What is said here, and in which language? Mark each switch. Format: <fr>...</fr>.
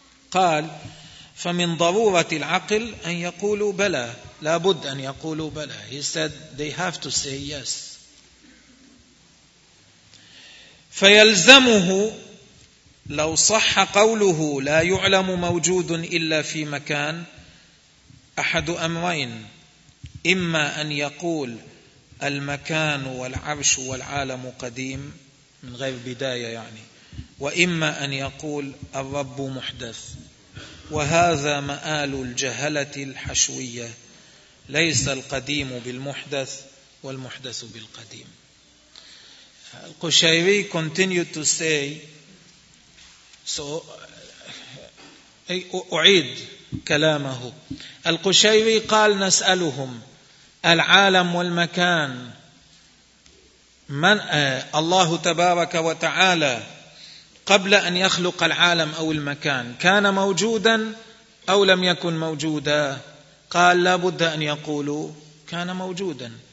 <ar>قال فمن ضرورة العقل أن يقولوا بلى. لابد أن يقولوا بلى.</ar> <en>He said they have to say yes.</en> <ar>فيلزمه لو صح قوله لا يعلم موجود إلا في مكان أحد أمرين، إما أن يقول المكان والعرش والعالم قديم من غير بداية يعني، وإما أن يقول الرب محدث، وهذا مآل الجهلة الحشوية، ليس القديم بالمحدث والمحدث بالقديم.</ar> <en>القشيري continued to say.</en> <ar>So, أعيد كلامه. القشيري قال نسألهم العالم والمكان من الله تبارك وتعالى قبل أن يخلق العالم أو المكان كان موجودا أو لم يكن موجودا؟ قال لا بد أن يقولوا كان موجودا.</ar>